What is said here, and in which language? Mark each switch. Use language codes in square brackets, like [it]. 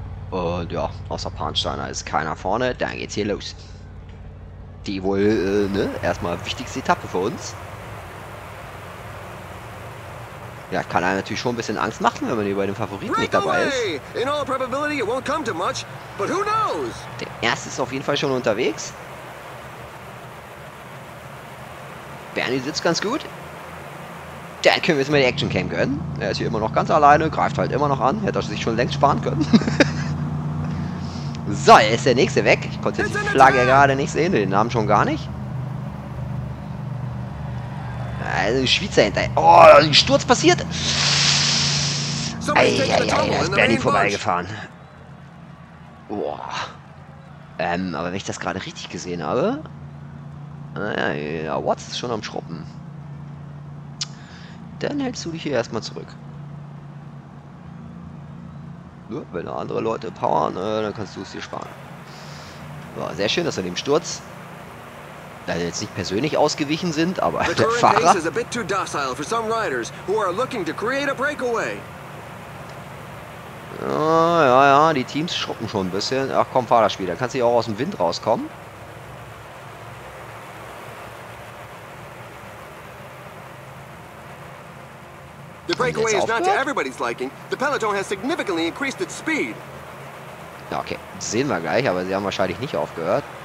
[de] Und ja, außer Parnsteiner ist keiner vorne, dann geht's hier los. Die wohl, ne, erstmal wichtigste Etappe für uns. Ja, kann einem natürlich schon ein bisschen Angst machen, wenn man hier bei dem Favoriten nicht dabei ist. [en] In all probability it won't come to much, but who knows? [de] Der erste ist auf jeden Fall schon unterwegs. Bernie sitzt ganz gut. Dann können wir jetzt mal die Action Cam gönnen. Er ist hier immer noch ganz alleine, greift halt immer noch an. Hätte er sich schon längst sparen können. So, jetzt ist der nächste weg. Ich konnte die Flagge gerade nicht sehen, den Namen schon gar nicht. Also ein Schweizer hinter. Oh, ein Sturz passiert. Eieiei, da ist Bernie vorbeigefahren. Boah. Aber wenn ich das gerade richtig gesehen habe. Naja, Watts ist schon am Schruppen. Dann hältst du dich hier erstmal zurück. Nur, wenn andere Leute powern, dann kannst du es dir sparen. War sehr schön, dass wir dem Sturz da jetzt nicht persönlich ausgewichen sind, aber der Fahrer. [en] Is a bit too docile for some riders who are looking to create a breakaway. [de] Ja, die Teams schrucken schon ein bisschen. Ach komm, Fahrerspiel, da kannst du ja auch aus dem Wind rauskommen. [en] The breakaway is not to everybody's liking. The peloton has significantly increased its speed. [de] Ja, okay, das sehen wir gleich, aber sie haben wahrscheinlich nicht aufgehört.